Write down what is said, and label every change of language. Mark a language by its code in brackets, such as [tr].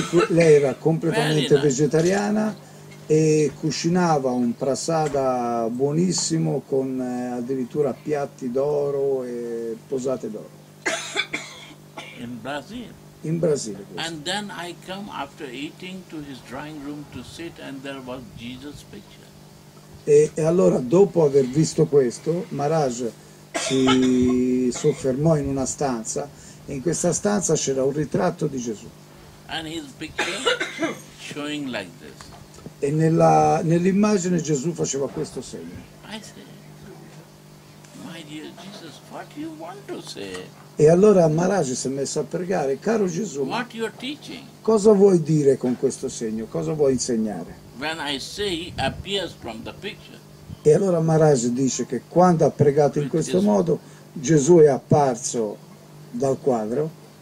[it] Lei era completamente vegetariana e cucinava un prasada buonissimo con addirittura piatti d'oro e posate d'oro. [en] In Brazil. [it] In Brasile. [en] And then I come after eating to his drawing room to sit and there was Jesus picture. [it] E allora dopo aver visto questo, Maharaj si soffermò in una stanza e in questa stanza c'era un ritratto di Gesù. [en] And his picture showing like this. [it] E nell'immagine Gesù faceva questo segno. [en] I say, my dear Jesus, what you want to say? [it] E allora Maharaj si è messo a pregare, caro Gesù, [en] what you're teaching? [it] Cosa vuoi dire con questo segno? Cosa vuoi insegnare? [en] When I say he appears from the picture. [it] E allora Maharaj dice che quando ha pregato in questo modo, Gesù è apparso dal quadro.